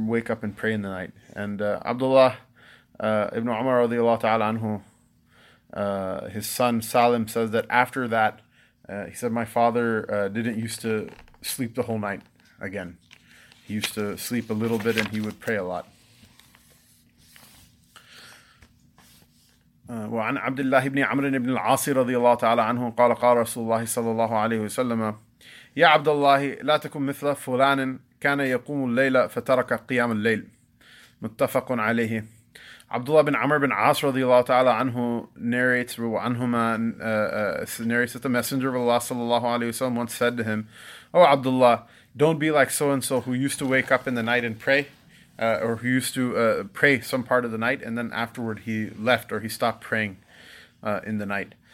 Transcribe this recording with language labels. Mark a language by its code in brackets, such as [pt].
[en] And Abdullah ibn Umar radiallahu ta'ala anhu, his son Salim says that after that, he said, my father didn't used to sleep the whole night again. He used to sleep a little bit and he would pray a lot. [ar] وعن عبد الله بن عمرو بن العاص رضي الله تعالى عنه قال قال رسول الله صلى الله عليه وسلم يا عبد الله لا تكن مثل فلان كان يقوم الليل فترك قيام الليل متفق عليه. [en] عبد الله بن عمرو بن عاص [ar] رضي الله تعالى عنه [en] narrates that the messenger of Allah [ar] صلى الله عليه وسلم [en] once said to him, oh Abdullah, don't be like so and so who used to wake up in the night and pray. Or who used to pray some part of the night, and then afterward he left or he stopped praying in the night.